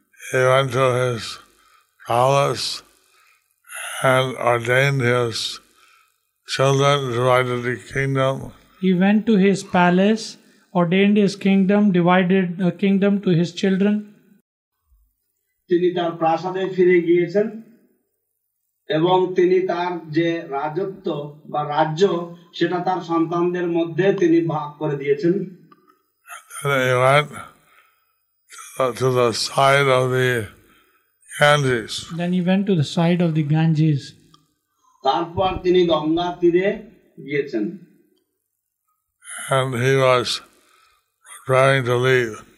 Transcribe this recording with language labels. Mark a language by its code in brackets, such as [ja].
[en] He went to his palace and ordained his children, divided the kingdom. He went to his palace, ordained his kingdom, divided the kingdom to his children. [bn] তিনি তার প্রাসাদে ফিরে গিয়েছেন এবং তিনি তার যে রাজত্ব বা রাজ্য সেটা তার সন্তানদের মধ্যে তিনি ভাগ করে দিয়েছেন। [en] Then he went to the side of the Ganges. Then he went to the side of the Ganges. [bn] Tarpar tini Ganga tire giyechen. [en] And he was preparing to leave.